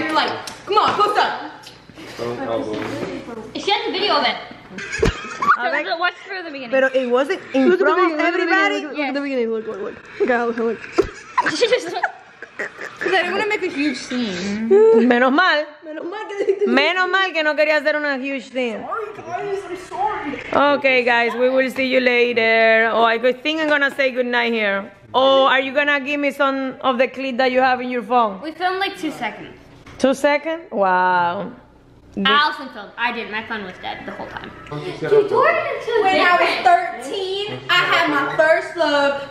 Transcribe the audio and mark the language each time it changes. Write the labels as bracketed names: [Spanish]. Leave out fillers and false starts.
[English] You're like, come on, post up. She has a video of it. Like, watch through the beginning. But it wasn't in look front of everybody. Look at the beginning. Look, look, look. God, look, look. Because I didn't want to make a huge scene. [Spanish] Menos mal. Menos mal que menos mal que no quería hacer una [English] huge scene. Sorry, guys. I'm sorry. Okay, guys. We will see you later. Oh, I think I'm going to say goodnight here. Oh, are you going to give me some of the clip that you have in your phone? We filmed like 2 seconds. 2 seconds? Wow. Allison filmed. I did. My phone was dead the whole time. When I was 13, I had my first love.